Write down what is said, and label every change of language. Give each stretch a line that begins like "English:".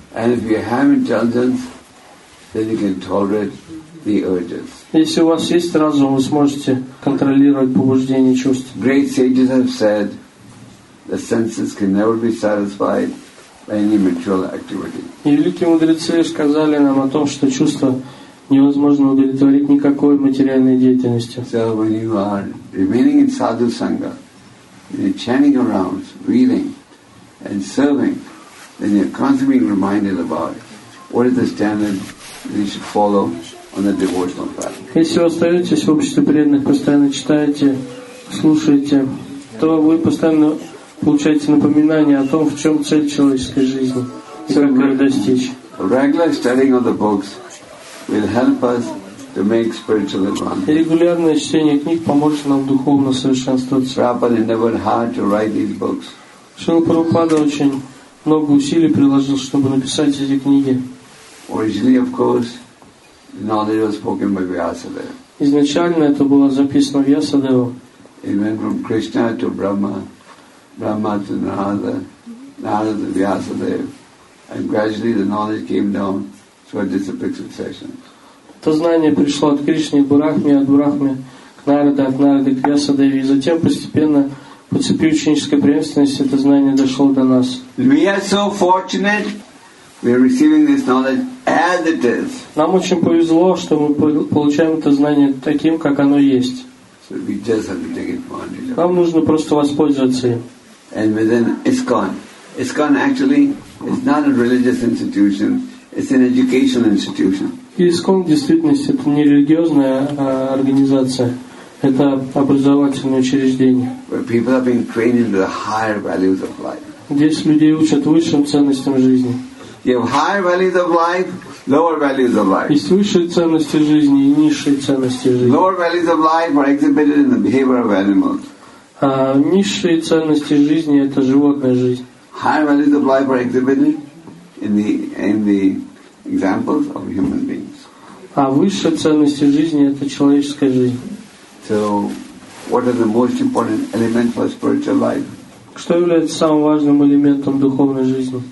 English: And if you have intelligence, then you can tolerate the urges.
Russian: Если у вас есть разум, вы сможете контролировать побуждения и чувства.
English: Great sages have said the senses can never be satisfied by any material activity.
Russian: И великие мудрецы сказали нам о том, что чувства невозможно удовлетворить никакой материальной деятельностью.
English: So when you are remaining in sadhu sangha, you're chanting around, reading, and serving, then you're constantly being reminded about what is the standard you should follow on the devotional path.
Russian: Если вы остаетесь в обществе преданных, постоянно читаете, слушаете, то вы постоянно получаете напоминание о том, в чем цель человеческой жизни, как ее достичь.
English: Regular studying of the books will help us to make spiritual advancement.
Russian: Регулярное чтение книг поможет нам духовно совершенствоваться.
English: Prabhupada never hard to write these books.
Russian: Шрила Прабхупада очень много усилий приложил, чтобы написать эти книги.
English: Originally, of course, knowledge was spoken by Vyasadeva.
Russian: Изначально это было записано Вьясадеву.
English: It went from Krishna to Brahma, Brahma to Narada, Narada to Vyasadeva, and gradually the knowledge came down through a disciplic succession.
Russian: То знание пришло от Кришны к Брахме, от Брахмы к Нараде, от Нарады к Вьясадеве, и затем постепенно по цепи ученической преемственности это знание дошло до нас.
English: We are so fortunate we are receiving this knowledge as it is.
Russian: Нам очень повезло, что мы получаем это знание таким, как оно есть.
English: So we just have to take advantage.
Russian: Нам нужно просто воспользоваться им.
English: And within ISKCON. ISKCON actually is not a religious institution, it's an educational institution.
Russian: ИСКОН в действительности это не религиозная организация, это образовательное учреждение.
English: Where people are being trained into the higher values of life.
Russian: Здесь людей учат высшим ценностям жизни.
English: You have higher values of life, lower values of life.
Russian: Есть высшие ценности жизни и низшие ценности жизни.
English: Lower values of life are exhibited in the behavior of animals.
Russian: А низшие ценности жизни — это животная жизнь.
English: Higher values of life are exhibited in the examples of human beings.
Russian: А высшие ценности жизни — это человеческая жизнь.
English: So, what are the most important elements for spiritual life?
Russian: Что является самым важным элементом духовной жизни?